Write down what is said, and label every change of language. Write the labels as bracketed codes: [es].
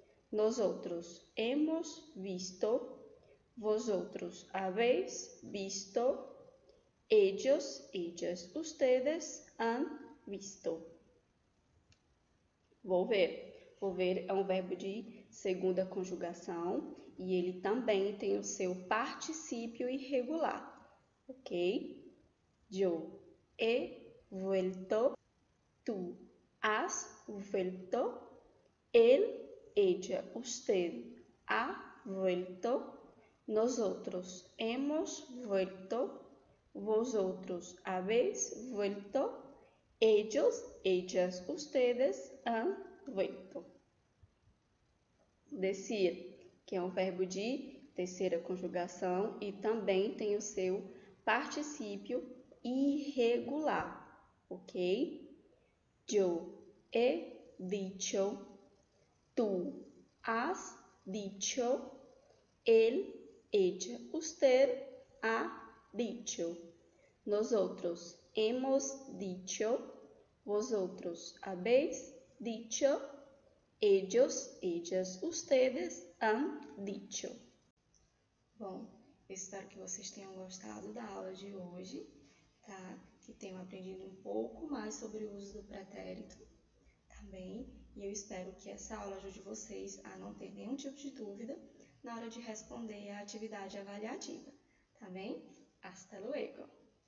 [es] Nosotros hemos visto, vosotros habéis visto, ellos, ellas, ustedes han visto. [pt] Vou ver é um verbo de segunda conjugação e ele também tem o seu particípio irregular, ok? [es] Yo he vuelto, tú has vuelto, él. Ella, usted ha vuelto, nosotros hemos vuelto, vosotros habéis vuelto, ellos, ellas, ustedes han vuelto. [pt] Decir, que é um verbo de terceira conjugação e também tem o seu particípio irregular, ok? [es] Yo he dicho. Tu has dicho, él, ella, usted ha dicho. Nosotros hemos dicho, vosotros habéis dicho, ellos, ellas, ustedes han dicho. [pt] Bom, espero que vocês tenham gostado da aula de hoje, tá? Que tenham aprendido um pouco mais sobre o uso do pretérito. Também, e eu espero que essa aula ajude vocês a não ter nenhum tipo de dúvida na hora de responder à atividade avaliativa. Tá bem? [es] Hasta luego!